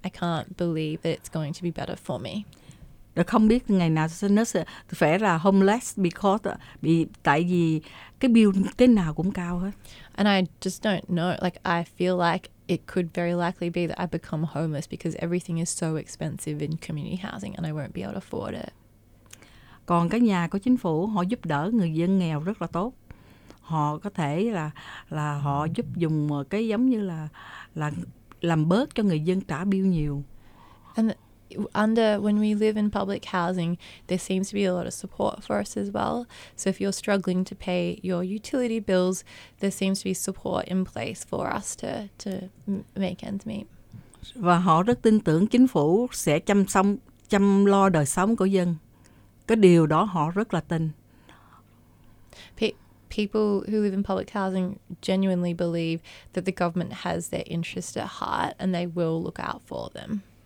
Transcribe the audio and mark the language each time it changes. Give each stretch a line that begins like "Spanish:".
English: I can't believe that it's going to be better for me.
Vietnamese: Rồi không biết ngày nào nó sẽ phải là
English: homeless because
Vietnamese: bị tại vì cái bill cái nào cũng cao hết.
English: And I just don't know. Like I feel like it could very likely be that I become homeless because everything is so expensive in community housing and I won't be able to afford it.
Vietnamese: Còn cái nhà của chính phủ họ giúp đỡ người dân nghèo rất là tốt. Họ có thể là họ giúp dùng cái giống như là làm bớt cho người dân trả bill nhiều.
English: And under when we live in public housing, there seems to be a lot of support for us as well. So if you're struggling to pay your utility bills, there seems to be support in place for us to make ends meet.
Vietnamese: Và họ rất tin tưởng chính phủ sẽ chăm lo đời sống của dân. Cái điều đó họ rất là tin.
English: People who live in public housing genuinely believe that the government has their interest at heart and they will look out for them.